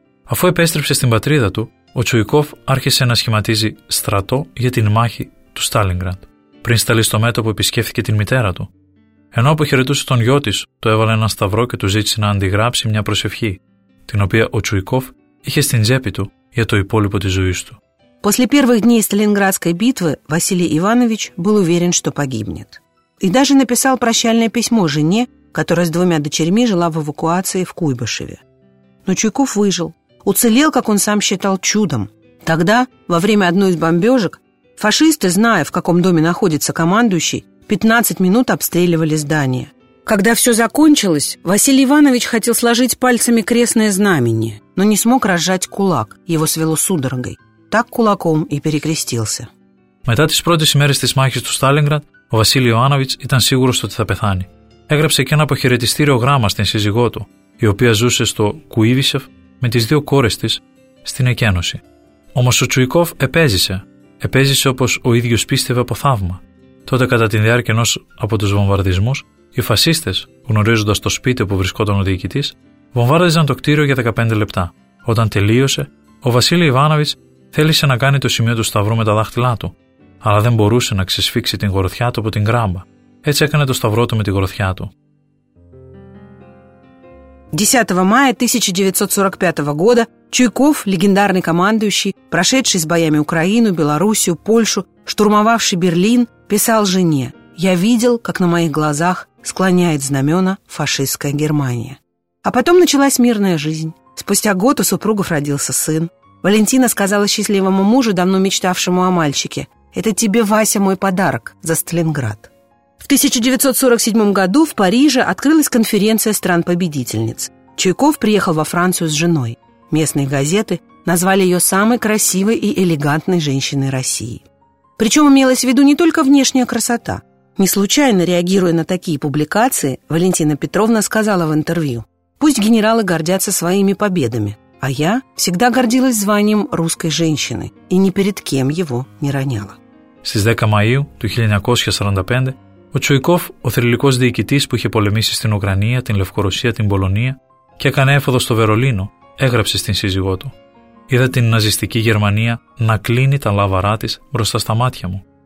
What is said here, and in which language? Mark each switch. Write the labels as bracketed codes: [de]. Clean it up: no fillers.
[el] Αφού επέστρεψε στην πατρίδα του, ο Τσουϊκόφ άρχισε να σχηματίζει στρατό για την μάχη του Στάλινγκραντ. Πριν σταλεί στο μέτωπο, επισκέφθηκε την μητέρα του. Ενώ αποχαιρετούσε τον γιο της, το έβαλε ένα σταυρό και του ζήτησε να αντιγράψει μια προσευχή, την οποία ο Τσουϊκόφ είχε στην τσέπη του για το υπόλοιπο της ζωής του. [ru] После первых дней Сталинградской битвы Василий Иванович был уверен, что погибнет. И даже написал прощальное письмо жене, которая с двумя дочерьми жила в эвакуации в Куйбышеве. Но Чуйков выжил. Уцелел, как он сам считал, чудом. Тогда, во время одной из бомбежек, фашисты, зная, в каком доме находится командующий, 15 минут обстреливали здание. Когда все закончилось, Василий Иванович хотел сложить пальцами крестное знамение, но не смог разжать кулак, его свело судорогой. Так кулаком и перекрестился. [el] Мета тис протис мерис тис махис ту Сталинград, ο Βασίλη Ιωάννοβιτς ήταν σίγουρος ότι θα πεθάνει. Έγραψε και ένα αποχαιρετιστήριο γράμμα στην σύζυγό του, η οποία ζούσε στο Κουίβισεφ με τις δύο κόρες της στην εκένωση. Όμως ο Τσουϊκόφ επέζησε. Επέζησε όπως ο ίδιος πίστευε από θαύμα. Τότε, κατά τη διάρκεια ενός από τους βομβαρδισμούς, οι φασίστες, γνωρίζοντας το σπίτι που βρισκόταν ο διοικητής, βομβάρδιζαν το κτίριο για 15 λεπτά. Όταν τελείωσε, ο Βασίλη Ιωάννοβιτς θέλησε να κάνει το σημείο του σταυρού με τα δάχτυλά του, αλλά δεν μπορούσε να ξεσφίξει την γροθιά του από την γράμπα. Έτσι έκανε το σταυρό του με τη γροθιά του. [ru] 10 мая 1945 года Чуйков, легендарный командующий, прошедший с боями Украину, Белоруссию, Польшу, штурмовавший Берлин, писал жене: «Я видел, как на моих глазах склоняет знамена фашистская Германия». А потом началась мирная жизнь. Спустя год у супругов родился сын. Валентина сказала счастливому мужу, давно мечтавшему о мальчике: «Это тебе, Вася, мой подарок за Сталинград». В 1947 году в Париже открылась конференция стран-победительниц. Чуйков приехал во Францию с женой. Местные газеты назвали ее самой красивой и элегантной женщиной России. Причем имелась в виду не только внешняя красота. Не случайно, реагируя на такие публикации, Валентина Петровна сказала в интервью: «Пусть генералы гордятся своими победами, а я всегда гордилась званием русской женщины и ни перед кем его не роняла». [el] Στις 10 Μαΐου του 1945, ο Τσουϊκόφ, ο θρυλικός διοικητής που είχε πολεμήσει στην Ουκρανία, την Λευκορωσία, την Πολωνία και έκανε έφοδο στο Βερολίνο, έγραψε στην σύζυγό του: «Είδα την ναζιστική Γερμανία να κλείνει τα λάβαρά της μπροστά στα μάτια μου».